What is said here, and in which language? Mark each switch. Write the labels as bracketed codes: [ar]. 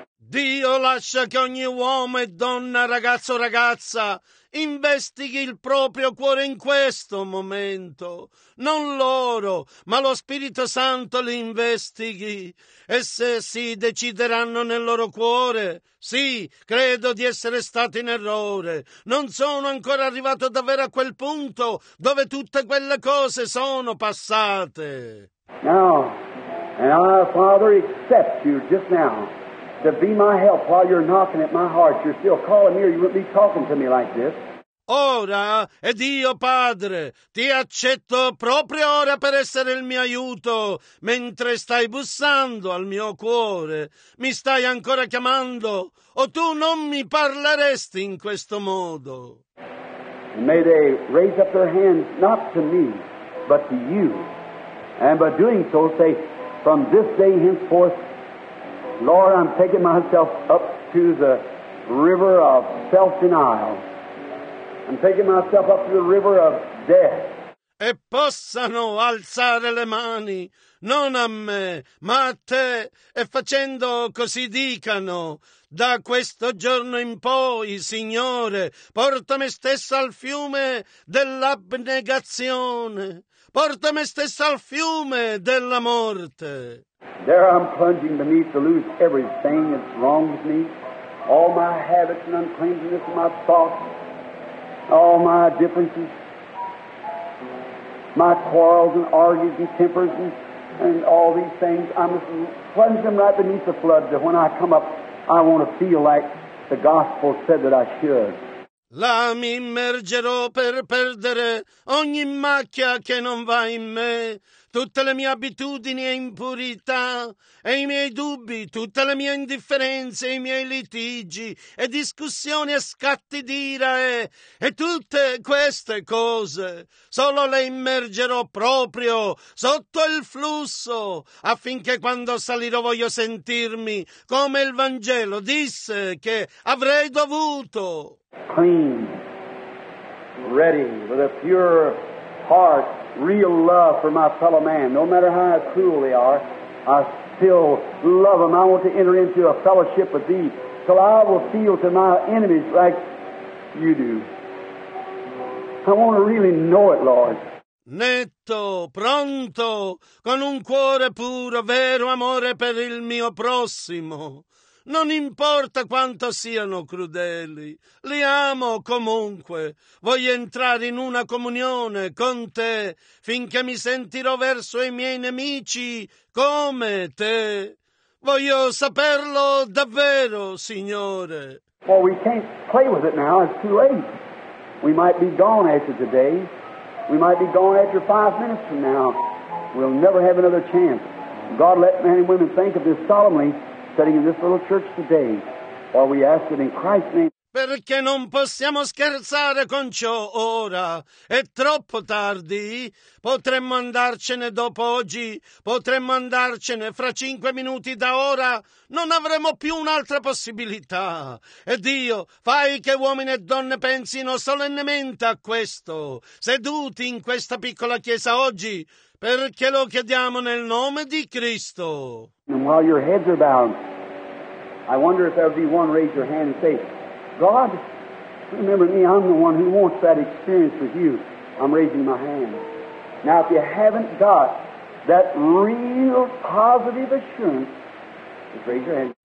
[it] Dio lascia che ogni uomo e donna, ragazzo o ragazza, investighi il proprio cuore in questo momento. Non loro, ma lo Spirito Santo li investighi. E se si decideranno nel loro cuore, sì, credo di essere stato in errore. Non sono ancora arrivato davvero a quel punto dove tutte quelle cose sono passate. [en] Now, and our Father accepts you just now. To be my help while you're knocking at my heart. You're still calling me or you wouldn't be talking to me like this. [it] Ora, ed io, Padre, ti accetto proprio ora per essere il mio aiuto, mentre stai bussando al mio cuore. Mi stai ancora chiamando, o tu non mi parleresti in questo modo. [en] May they raise up their hands not to me, but to you. And by doing so, say, from this day henceforth, Lord, I'm taking myself up to the river of self-denial. I'm taking myself up to the river of death. [it] E possano alzare le mani, non a me, ma a te, e facendo così dicano, da questo giorno in poi, Signore, porta me stesso al fiume dell'abnegazione, porta me stesso al fiume della morte. [en] There I'm plunging beneath to lose everything that's wrong with me, all my habits and uncleanness of my thoughts, all my differences, my quarrels and arguments and tempers and all these things. I'm just plunging them right beneath the flood that when I come up, I want to feel like the gospel said that I should. [it] Là mi immergerò per perdere ogni macchia che non va in me, tutte le mie abitudini e impurità, e i miei dubbi, tutte le mie indifferenze, i miei litigi, e discussioni e scatti d'ira, e tutte queste cose. Solo le immergerò proprio sotto il flusso, affinché quando salirò voglio sentirmi come il Vangelo disse che avrei dovuto. [en] Clean, ready, with a pure heart real love for my fellow man. No matter how cruel they are, I still love them. I want to enter into a fellowship with thee till I will feel to my enemies like you do. I want to really know it, Lord. [it] Netto, pronto, con un cuore puro, vero amore per il mio prossimo. Non importa quanto siano crudeli, li amo comunque. Voglio entrare in una comunione con te finché mi sentirò verso i miei nemici come te. Voglio saperlo davvero, Signore. [en] Well, we can't play with it now. It's too late. We might be gone after today. We might be gone after 5 minutes from now. We'll never have another chance. God, let men and women think of this solemnly. Sitting in this little church today, or we ask it in Christ's name. [it] Perché non possiamo scherzare con ciò ora? È troppo tardi. Potremmo andarcene dopo oggi. Potremmo andarcene fra 5 minuti da ora. Non avremo più un'altra possibilità. E Dio, fai che uomini e donne pensino solennemente a questo. Seduti in questa piccola chiesa oggi, perché lo chiediamo nel nome di Cristo. [en] And while your heads are bound, I wonder if there would be one raise your hand and say, God, remember me, I'm the one who wants that experience with you. I'm raising my hand. Now, if you haven't got that real positive assurance, just raise your hand.